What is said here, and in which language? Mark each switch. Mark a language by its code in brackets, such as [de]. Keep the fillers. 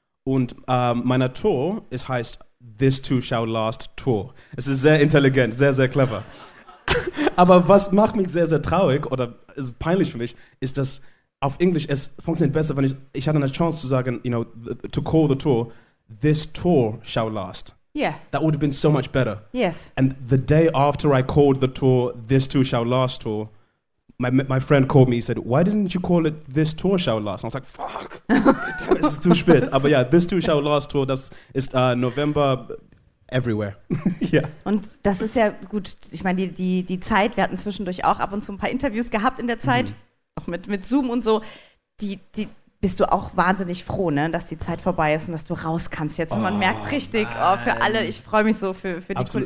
[de] Und ähm, meine Tour, es heißt This Too Shall Last Tour. Es ist sehr intelligent, sehr, sehr clever. aber was macht mich sehr, sehr traurig oder ist peinlich für mich, ist, dass auf Englisch es funktioniert besser, wenn ich, ich hatte eine Chance zu sagen, [en] you know, to call the tour, This Tour Shall Last. Yeah, That would have been so much better. yes. And the day after I called the tour This Tour Shall Last tour, my, my friend called me. He said, Why didn't you call it This Tour Shall Last? And I was like, Fuck, damn, it's too spät. But yeah, This Tour Shall Last tour, that's it's uh, November everywhere. yeah. [de] Und das ist ja gut, ich meine, die, die, die Zeit, wir hatten zwischendurch auch ab und zu ein paar Interviews gehabt in der Zeit, auch mit, mit Zoom und so, die, die bist du auch wahnsinnig froh, ne, dass die Zeit vorbei ist und dass du raus kannst jetzt. Und man merkt richtig, oh, für alle, ich freue mich so für, für die Absolut.